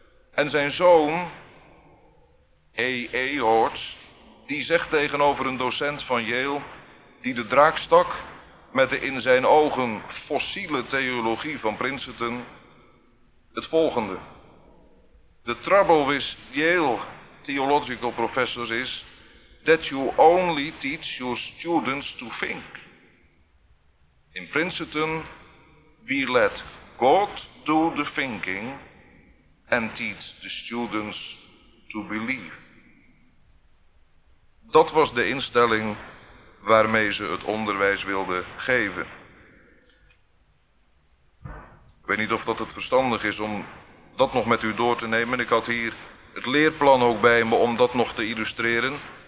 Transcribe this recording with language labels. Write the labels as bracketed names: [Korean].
[Dutch] En zijn zoon, E.E. Hort, die zegt tegenover een docent van Yale, die de draak stak met de in zijn ogen fossiele theologie van Princeton, het volgende. [English] The trouble with Yale theological professors is that you only teach your students to think. In Princeton, we let God do the thinking and teach the students to believe. [Dutch] Dat was de instelling waarmee ze het onderwijs wilden geven. Ik weet niet of dat het verstandig is om dat nog met u door te nemen. Ik had hier het leerplan ook bij me om dat nog te illustreren.